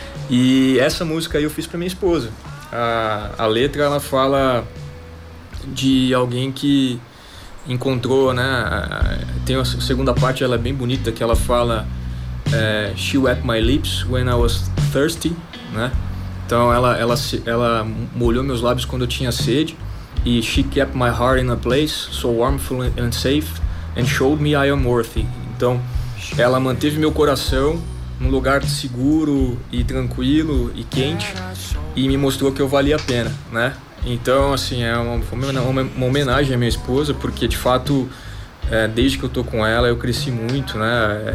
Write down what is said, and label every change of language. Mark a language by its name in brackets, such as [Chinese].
[Portuguese] E essa música aí eu fiz pra minha esposa. A letra, ela fala de alguém que encontrou, né? Tem a segunda parte, ela é bem bonita, que ela fala [English] She wet my lips when I was thirsty, [Portuguese] né? Então ela molhou meus lábios quando eu tinha sede. [English] E she kept my heart in a place so warm and safe and showed me I am worthy. [Portuguese] Então ela manteve meu coração num lugar seguro e tranquilo e quente e me mostrou que eu valia a pena, né? Então, assim, é uma homenagem à minha esposa, porque, de fato, desde que eu tô com ela, eu cresci muito, né?